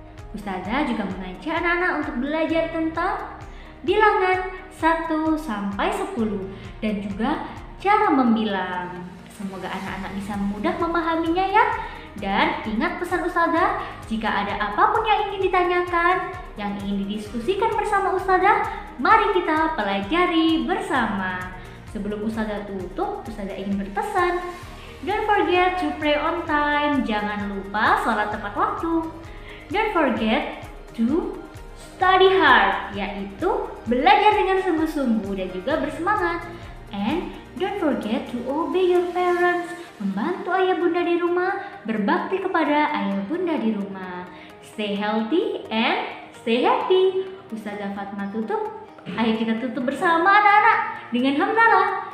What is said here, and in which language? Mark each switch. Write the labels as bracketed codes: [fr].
[id] Ustazah juga mengajak anak-anak untuk belajar tentang bilangan 1 sampai 10 dan juga cara membilang. Semoga anak-anak bisa mudah memahaminya ya. Dan ingat pesan Ustazah, jika ada apapun yang ingin ditanyakan, yang ingin didiskusikan bersama Ustazah, mari kita pelajari bersama. Sebelum Ustazah tutup, Ustazah ingin berpesan. [en] Don't forget to pray on time. [id] Jangan lupa sholat tepat waktu. [en] Don't forget to study hard, [id] yaitu belajar dengan sungguh-sungguh dan juga bersemangat. [en] And don't forget to obey your parents. [id] Membantu ayah bunda di rumah, berbakti kepada ayah bunda di rumah. [en] Stay healthy and stay happy. [id] Ustazah Fatma tutup. Ayo kita tutup bersama anak-anak dengan hamdalah.